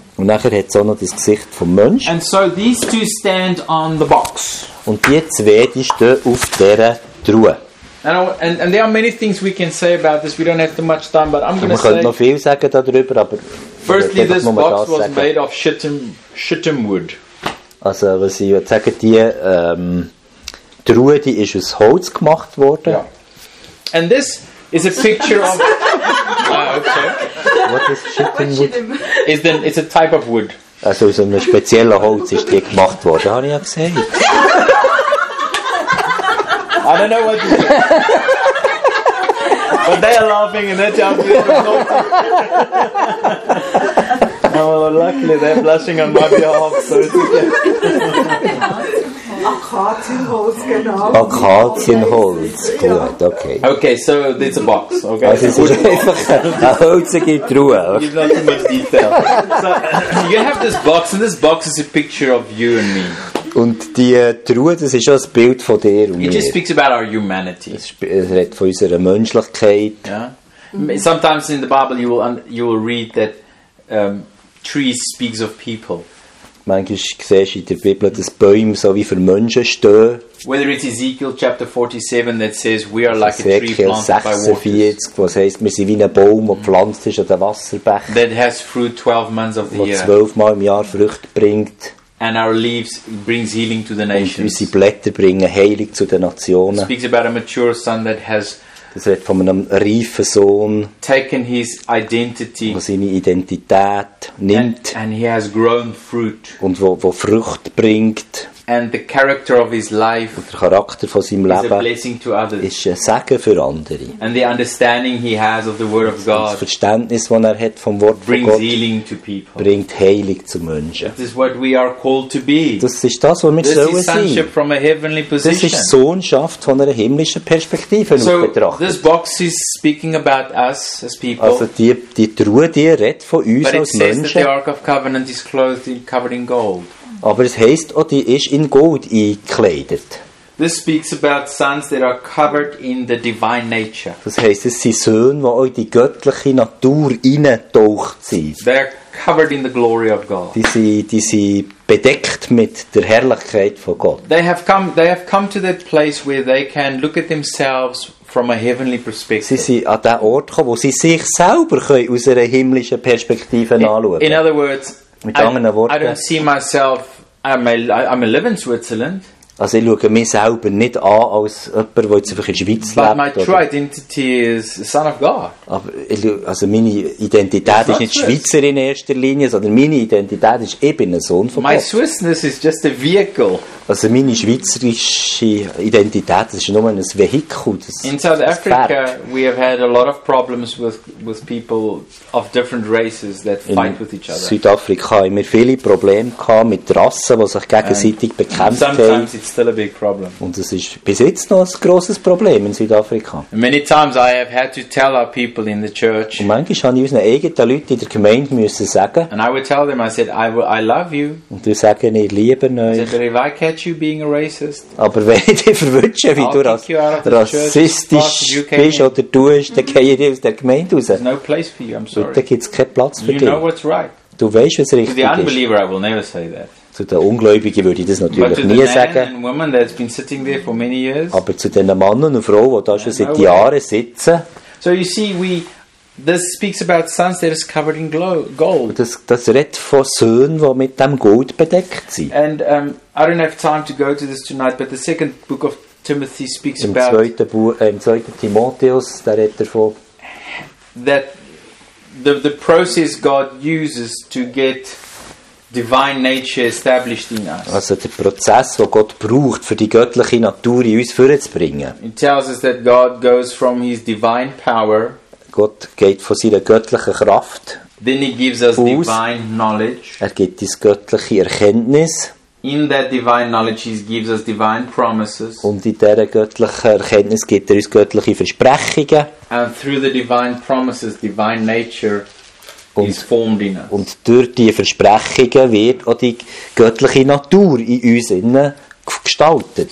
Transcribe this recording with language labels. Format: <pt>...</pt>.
<de>Und nachher hat es auch noch das Gesicht vom Mensch.</de> <en>And so these two stand on the box.</en> <de>Und die zwei, die stehen auf dieser Truhe.</de> <en>And there are many things we can say about this. We don't have too much time, but I'm going to say.</en> <de>Man könnte noch viel sagen darüber, aber.</de> <en>Firstly, this box was made of shittim wood.</en> <de>Also was ich würde sagen, die Truhe, die ist aus Holz gemacht worden.</de> <en>Yeah. And this is a picture of. Okay. What is shittim wood? Is then it's a type of wood.</en> <de>Also aus einem speziellen Holz ist die gemacht worden. Habe ich ja gesehen.</de> <en>I don't know what to do. But they are laughing and they're jumping. Oh, well, luckily they're blushing on my behalf. So it's</en> <de>okay. A Kartenholz, genau. A Kartenholz, okay.</de> <en>Okay, so it's a box, okay?</en> <de>Also es ist einfach ein Holz in Truhe.</de> <en>Give not too much detail. So you have this box, and this box is a picture of you and me.</en> <de>Und die Truhe, das ist schon das Bild von dir und mir.</de> <en>It just speaks about our humanity.</en> <de>Es redet von unserer Menschlichkeit.</de> <en>Yeah. Sometimes in the Bible you will read that trees speaks of people.</en> <de>Manchmal siehst du in der Bibel, dass Bäume so wie für Menschen stehen.</de> <en>Whether it's Ezekiel chapter 47 that says we are like a tree planted by waters.</en> <de>Ezekiel 46, was heisst, wir sind wie ein Baum, der gepflanzt ist an den Wasserbächen.</de> <en>That has fruit 12 months of the year.</en> <de>Der 12 Mal im Jahr Früchte bringt.</de> <en>And our leaves brings healing to the nations.</en> <de>Und unsere Blätter bringen Heilung zu den Nationen.</de> <en>It speaks about a mature son that has.</en> <de>Das redet von einem reifen Sohn.</de> <en>Taken his identity.</en> <de>Wo seine Identität nimmt.</de> <en>And he has grown fruit.</en> <de>Und wo Frucht bringt.</de> <en>And the character of his life.</en> <de>Und der Charakter von seinem Leben.</de> <en>Is a blessing to others.</en> <de>Ist ein Segen für andere.</de> <en>And the understanding he has of the word of God.</en> <de>Das Verständnis, das er hat vom Wort von Gott.</de> <en>Brings healing to people.</en> <de>Bringt Heilung zu Menschen.</de> <en>This is what we are called to be.</en> <de>Das ist das, was wir sollen sein.</de> <en>This is sonship from a heavenly position.</en> <de>Das ist Sohnschaft von einer himmlischen Perspektive so betrachtet.</de> <en>This box is speaking about us as people.</en> <de>Also die Truhe, die redet von uns als Menschen.</de> <en>But it says that the Ark of Covenant is covered in gold.</en> <de>Aber es heisst auch, die ist in Gold eingekleidet.</de> <en>This speaks about sons that are covered in the divine nature.</en> <de>Das heisst, es sind Söhne, die auch in die göttliche Natur hineintaucht sind.</de> <en>They are covered in the glory of God.</en> <de>Die sind bedeckt mit der Herrlichkeit von Gott.</de> <en>They have come to that place where they can look at themselves from a heavenly perspective.</en> <de>Sie sind an den Ort gekommen, wo sie sich selber können aus einer himmlischen Perspektive anschauen.</de> <en>In other words, I don't see myself. I live in Switzerland.</en> <de>Also, ich schaue mich selber nicht an als jemand, der jetzt einfach in der Schweiz</de> <en>But my true identity is son of God.</en> <de>Also, meine Identität ist nicht Swiss. Schweizer in erster Linie, sondern meine Identität ist, ich bin ein Sohn von</de> <en>my</en> <de>Gott.</de> <en>My Swissness is just a vehicle.</en> <de>Also, meine schweizerische Identität, das ist nur ein Vehikel. Das,</de> <en>in South Africa, we have had a lot of problems with people of different races that in fight with each other.</en> <de>In Südafrika haben wir viele Probleme gehabt mit Rassen, die sich gegenseitig</de> <en>and</en> <de>bekämpft</de> <en>sometimes</en> <de>haben.</de> <en>It's still a big problem.</en> <de>Und das ist bis jetzt noch ein grosses Problem in Südafrika.</de> <en>Many times I have had to tell our people in the church.</en> <de>Und manchmal habe ich unseren eigenen Leuten in der Gemeinde müssen sagen.</de> <en>And I would tell them, I said, I love you.</en> <de>Und du sagst, ich liebe euch.</de> <en>I said, but if I catch you being a racist,</en> <de>aber wenn ich dich verwünsche, wie du rassistisch bist oder du bist, dann gehe ich dir aus der Gemeinde raus.</de> <en>There's no place for you, I'm sorry.</en> <de>Da gibt es keinen Platz für</de> <en>you</en> <de>dich.</de> <en>Know what's right.</en> <de>Du weißt, was richtig</de> <en>to the unbeliever,</en> <de>ist.</de> <en>I will never say that.</en> <de>Zu den Ungläubigen würde ich das natürlich nie sagen.</de> <en>And woman that's been sitting there for many years,</en> <de>aber zu den Männern und Frauen, die da schon seit Jahren sitzen.</de> <en>So you see, this speaks about sons that is covered in gold.</en> <de>Das redet von Söhnen, die mit dem Gold bedeckt sind.</de> <en>And I don't have time to go to this tonight, but the second book of Timothy speaks about.</en> <de>Im zweiten Timotheus, da redet er von.</de> <en>That the process God uses to get divine nature established in us.</en> <de>Also der Prozess, den Gott braucht, für die göttliche Natur in uns vorzubringen.</de> <en>It tells us that God goes from his divine power.</en> <de>Gott geht von seiner göttlichen Kraft.</de> <en>Then he gives us</en> <de>aus.</de> <en>Divine knowledge.</en> <de>Er gibt uns göttliche Erkenntnis.</de> <en>In that divine knowledge he gives us divine promises.</en> <de>Und in dieser göttlichen Erkenntnis gibt er uns göttliche Versprechungen.</de> <en>And through the divine promises, divine nature.</en> <de>Und durch diese Versprechungen wird auch die göttliche Natur in uns innen gestaltet.</de>